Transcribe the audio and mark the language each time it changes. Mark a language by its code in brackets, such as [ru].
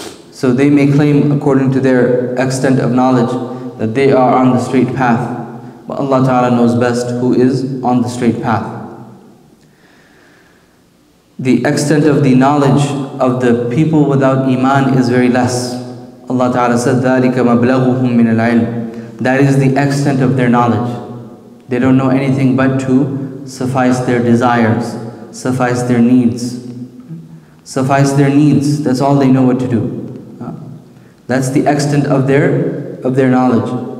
[en] So they may claim according to their extent of knowledge that they are on the straight path, but Allah Ta'ala knows best who is on the straight path. The extent of the knowledge of the people without iman is very less. Allah Ta'ala said, [ar] ذَلِكَ مَبْلَغُهُمْ مِنَ الْعِلْمِ. [en] That is the extent of their knowledge. They don't know anything but to suffice their desires, suffice their needs. Suffice their needs, that's all they know what to do. That's the extent of their knowledge.